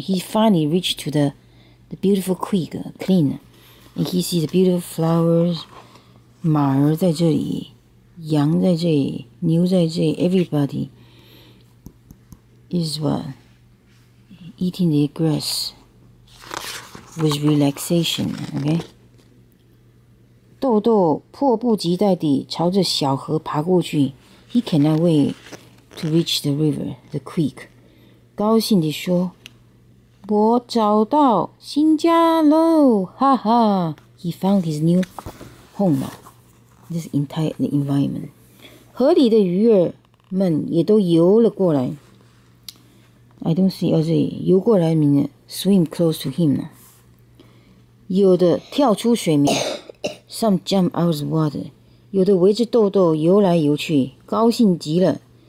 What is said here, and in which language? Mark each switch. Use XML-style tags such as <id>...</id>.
<en>He finally reached to the beautiful creek, clean. And he sees the beautiful flowers.</en> <zh>马儿在这里，羊在这里，牛在这里。</zh> <en>Everybody is what eating the grass with relaxation. Okay.</en> <zh>豆豆迫不及待地朝着小河爬过去。</zh> <en>He cannot wait to reach the river, the creek.</en> <zh>高兴地说：“我找到新家喽！”</zh> <en>哈哈。He found his new home. This entire environment.</en> <zh>河里的鱼儿们也都游了过来。</zh> <en>I don't see how they</en> <zh>游过来</zh> <en>mean swim close to him.</en> <zh>有的跳出水面</zh> <en>，some jump out of the water.</en> <zh>有的围着豆豆游来游去，高兴极了。</zh>